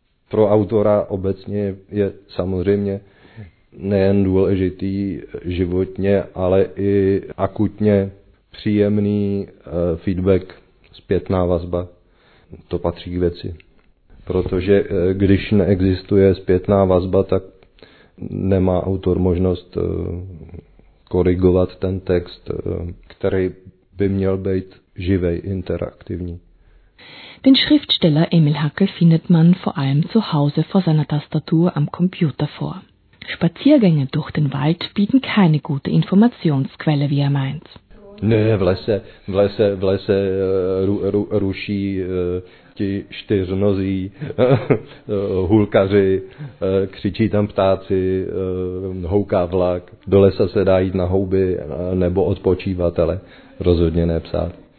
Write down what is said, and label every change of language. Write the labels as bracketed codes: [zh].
[cs] Pro autora obecně je samozřejmě nejen důležitý životně, ale i akutně příjemný feedback, zpětná vazba. To patří k věci. Protože když neexistuje zpětná vazba, tak nemá autor možnost korigovat ten text, který by měl být živej, interaktivní. [de] Den Schriftsteller Emil Hackl findet man vor allem zu Hause vor seiner Tastatur am Computer vor. Spaziergänge durch den Wald bieten keine gute Informationsquelle, wie er meint. [cs] Ne, v lese ruší ti čtyřnozí hulkaři, křičí tam ptáci, houká vlak. Do lesa se dá jít na houby nebo odpočívat, ale rozhodně ne psát.